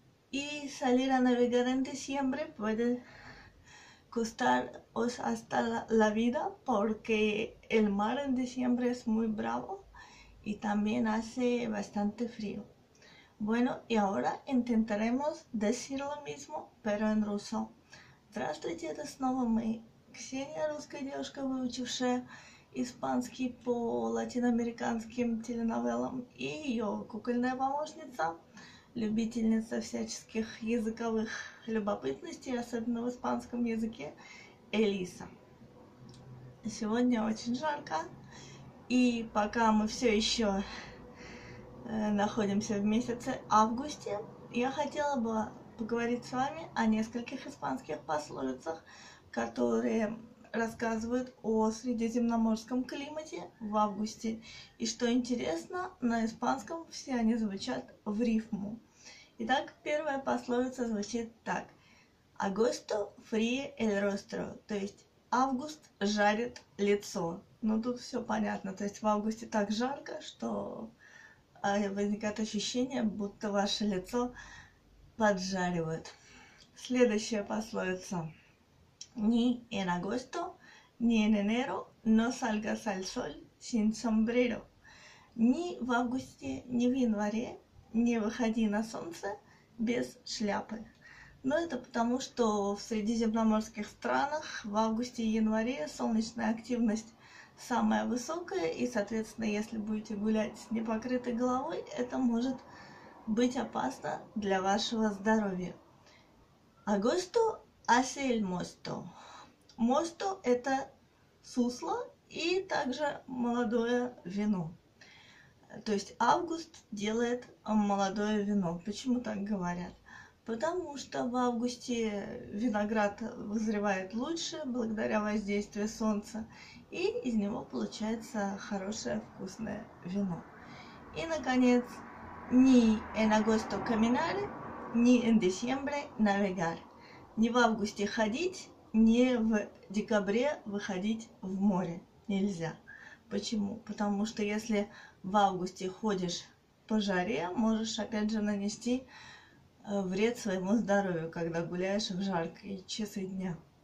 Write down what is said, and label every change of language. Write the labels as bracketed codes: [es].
[es] Y salir a navegar en diciembre puede costaros hasta la vida, porque el mar en diciembre es muy bravo y también hace bastante frío. Bueno, y ahora intentaremos decir lo mismo, pero en ruso. [ru] Здравствуйте, это снова мы, Ксения, русская девушка, выучившая испанский по латиноамериканским теленовелам, и ее кукольная помощница, любительница всяческих языковых любопытностей, особенно в испанском языке, Элиса. Сегодня очень жарко, и пока мы все еще находимся в месяце августе, я хотела бы поговорить с вами о нескольких испанских пословицах, которые рассказывают о средиземноморском климате в августе. И что интересно, на испанском все они звучат в рифму. Итак, первая пословица звучит так: [es] «Agosto fríe el rostro», [ru] то есть «август жарит лицо». Ну, тут все понятно, то есть в августе так жарко, что возникает ощущение, будто ваше лицо поджаривают. [es] Следующая пословица: ni en agosto, ni en enero, no salgas al sol sin sombrero. [ru] Ни в августе, ни в январе не выходи на солнце без шляпы. Но это потому, что в средиземноморских странах в августе и январе солнечная активность самая высокая, и, соответственно, если будете гулять с непокрытой головой, это может быть опасно для вашего здоровья. [es] Agosto hace el mosto. [ru] Мосто – это сусло и также молодое вино. То есть август делает молодое вино. Почему так говорят? Потому что в августе виноград вызревает лучше благодаря воздействию солнца, и из него получается хорошее вкусное вино. [es] И, наконец, ni en agosto caminar, ni en diciembre navegar. [ru] Ни в августе ходить, ни в декабре выходить в море нельзя. Почему? Потому что если в августе ходишь по жаре, можешь опять же нанести вред своему здоровью, когда гуляешь в жаркие часы дня.